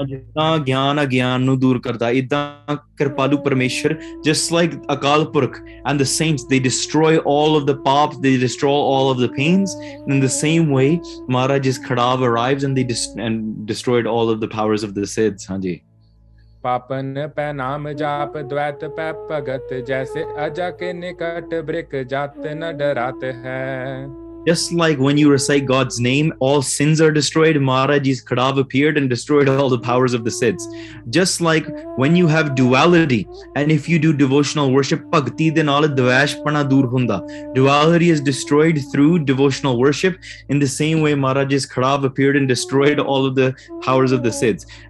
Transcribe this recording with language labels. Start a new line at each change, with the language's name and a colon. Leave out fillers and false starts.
Punjabi: ਜਿੱਦਾਂ ਗਿਆਨ ਅਗਿਆਨ ਨੂੰ ਦੂਰ ਕਰਦਾ ਇਦਾਂ ਕਿਰਪਾਲੂ ਪਰਮੇਸ਼ਰ
English: just like Akal Purakh and the saints they destroy all of the ਪਾਪਸ they destroy all of the pains in the same way Maharaj is khadav arrives and they destroyed all of the powers of the ਸਿੱਧਸ ਹਾਂਜੀ
Braj: पापन पै नाम जाप द्वैत पै भगत जैसे अजा के निकट ब्रिक जात न डरात है.
English: Just like when you recite God's name, all sins are destroyed. Maharaji's Kadav appeared and destroyed all the powers of the Sidhs. Just like when you have duality, and if you do devotional worship,
Punjabi: bhakti de naal dvaishpana dur hunda.
English: Duality is destroyed through devotional worship. In the same way, Maharaji's Kadav appeared and destroyed all of the powers of the Sidhs.